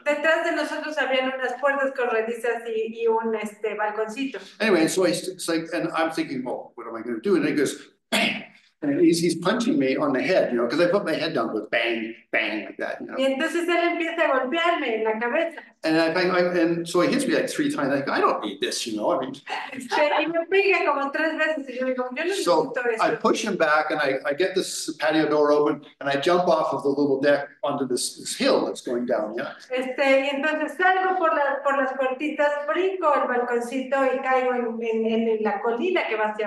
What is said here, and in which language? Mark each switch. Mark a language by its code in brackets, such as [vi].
[es] Detrás de nosotros habían unas puertas corredizas y un balconcito. [en] Anyway, so it's like, and I'm thinking, well, what am I going to do? And he goes, bam! And he's punching me on the head, you know, because I put my head down with bang, bang, like that, you know. [es] Y entonces él empieza a golpearme en la cabeza. [en] And and so he hits me like 3 times. Like, I don't need this, you know. I mean, so I push him back, and I get this patio door open, and I jump off of the little deck onto this hill that's going down, yeah. [es] Y entonces salgo por las puertitas, brinco el balconcito y caigo en la colina que va hacia